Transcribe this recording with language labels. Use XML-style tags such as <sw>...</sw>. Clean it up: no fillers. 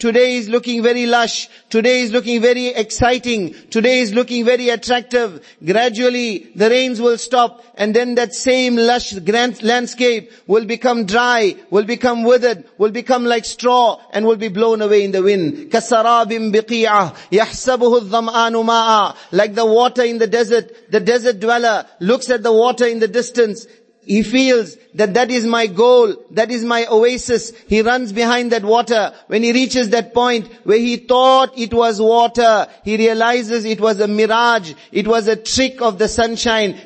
<en>Today is looking very lush. Today is looking very exciting. Today is looking very attractive. Gradually the rains will stop and then that same lush grand landscape will become dry, will become withered, will become like straw and will be blown away in the wind.</en> <ar>كَسَرَابٍ بِقِيعَةٍ يَحْسَبُهُ الظَّمْآنُ مَاءً.</ar> <en>Like the water in the desert dweller looks at the water in the distance. He feels that that is my goal, that is my oasis. He runs behind that water. When he reaches that point where he thought it was water, he realizes it was a mirage, it was a trick of the sunshine.</en>